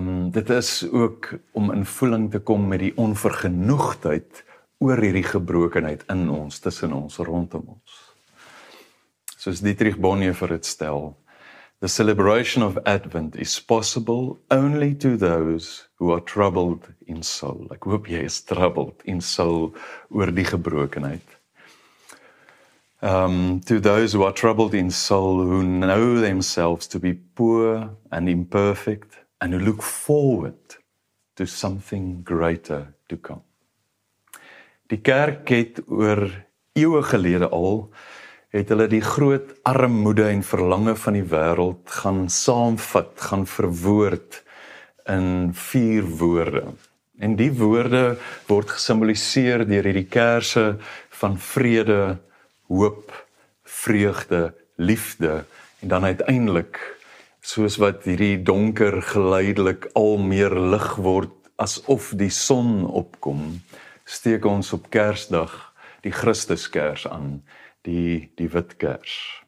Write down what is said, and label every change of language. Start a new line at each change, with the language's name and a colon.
Afrikaans: Dit is ook om in voeling te kom met die onvergenoegdheid oor hierdie gebrokenheid in ons, tussen ons, rondom ons. Soos Dietrich Bonhoeffer het stel,
English: the celebration of Advent is possible only to those who are troubled in soul.
Afrikaans: Ek hoop jy is
English: troubled in soul
Afrikaans: oor die gebrokenheid.
English: To those who are troubled in soul, who know themselves to be poor and imperfect, and who look forward to something greater to come.
Afrikaans: Die kerk het oor eeuwe gelede al, het hulle die groot armoede en verlange van die wêreld gaan saamvat, gaan verwoord in vier woorde. En die woorde word gesimboliseer deur hierdie kersse van vrede, hoop, vreugde, liefde, en dan uiteindelik, soos wat hierdie donker geleidelik al meer lig word, asof die son opkom, steek ons op Kersdag die Christuskers aan, die wit kers.